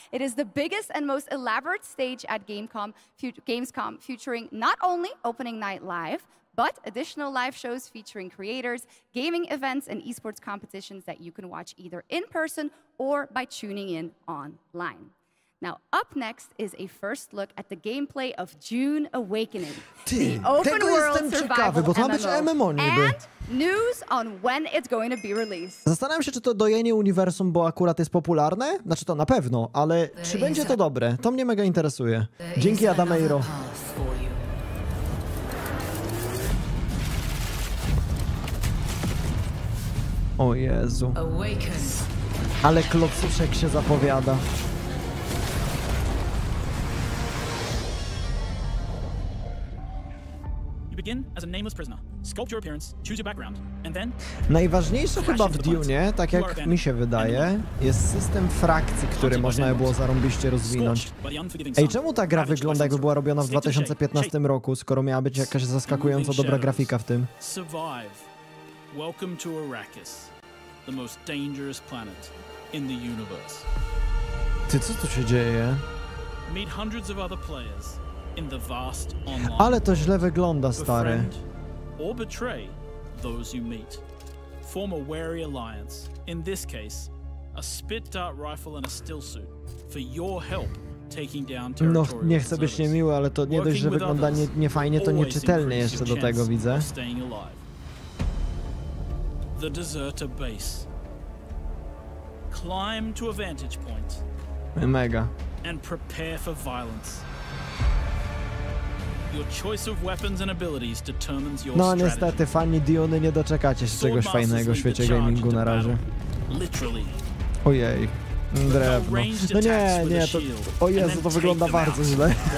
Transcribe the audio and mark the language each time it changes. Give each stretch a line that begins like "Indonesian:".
English: It is the biggest and most elaborate stage at Gamescom, featuring not only opening night live, but additional live shows featuring creators, gaming events, and esports competitions that you can watch either in person or by tuning in online. Now, up next is a first look at the gameplay of June Awakening. Ty, the open world survival ciekawy, MMO. MMO and news on when it's going to be released.
Polish: Zastanawiam się, czy to dojenie uniwersum, bo akurat jest popularne. Znaczy to na pewno, ale there czy będzie to dobre? To mnie mega interesuje. Dzięki, Adameiro. O Jezu. Awaken. Ale klocuszek się zapowiada.
English: Begin as a nameless prisoner. Sculpt your appearance, choose your background, and then.
Polish: Najważniejsze chyba w Dune, tak jak mi się wydaje, jest system frakcji, który można by było zarąbiście rozwinąć. Ej, czemu ta gra wygląda, jakby była robiona w 2015 roku, skoro miała być jakaś zaskakująco dobra grafika w tym?
English: Survive. Welcome to Arrakis, the most dangerous planet in the universe.
Polish: Ty, co tu się dzieje?
English: Meet hundreds of other players. In the vast online
Polish: ale to źle wygląda, stary.
English: Or betray those you meet. Form a wary alliance. In this case, a spit dart rifle and a still suit for your help taking down territory.
Polish: No, nie chcę być niemiły, ale to nie dość, że wygląda nie fajnie, to nieczytelnie jeszcze do tego widzę.
English: The deserter base. Climb to a vantage point.
Polish: Mega.
English: And prepare for violence. Your choice of weapons and abilities determines your
Polish: no,
English: strategy.
Polish: Niestety, fani Diony, nie doczekacie się czegoś fajnego w świecie gamingu na razie.
English: Literally.
Polish: Ojej. Drewno. No nie, nie, to... O Jezu, to wygląda bardzo źle.